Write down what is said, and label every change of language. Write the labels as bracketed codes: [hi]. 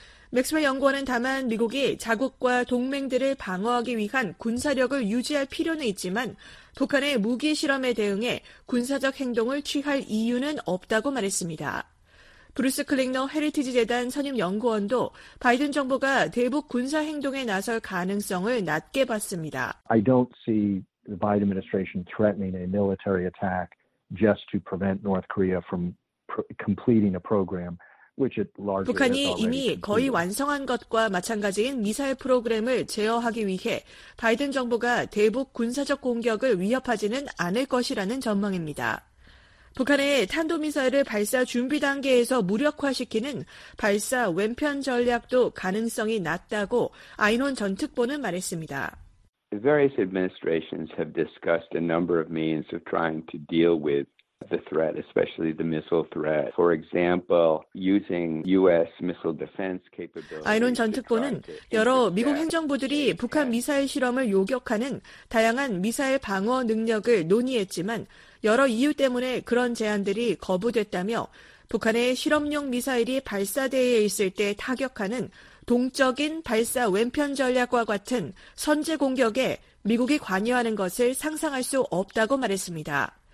[ko] 맥스웰 연구원은 다만 미국이 자국과 동맹들을 방어하기 위한 군사력을 유지할 필요는 있지만 북한의 무기 실험에 대응해 군사적 행동을 취할 이유는 없다고 말했습니다. 브루스 클링너 헤리티지 재단 선임 연구원도 바이든 정부가 대북 군사 행동에 나설 가능성을 낮게 봤습니다. [en] I don't see the Biden administration threatening a military attack just to prevent North Korea from completing a program. [ko] 북한이 이미 거의 완성한 것과 마찬가지인 미사일 프로그램을 제어하기 위해 바이든 정부가 대북 군사적 공격을 위협하지는 않을 것이라는 전망입니다. 북한의 탄도미사일을 발사 준비 단계에서 무력화시키는 발사 왼편 전략도 가능성이 낮다고 아인혼 전 특보는 말했습니다. [en] Various administrations have discussed a number of means of trying to deal with the threat, especially the missile threat. For example, using U.S. missile defense capability. [ko] 아이론 전 특보는 여러 미국 행정부들이 북한 미사일 실험을 요격하는 다양한 미사일 방어 능력을 논의했지만 여러 이유 때문에 그런 제안들이 거부됐다며 북한의 실험용 미사일이 발사대에 있을 때 타격하는 동적인 발사 왼편 전략과 같은 선제 공격에 미국이 관여하는 것을 상상할 수 없다고 말했습니다.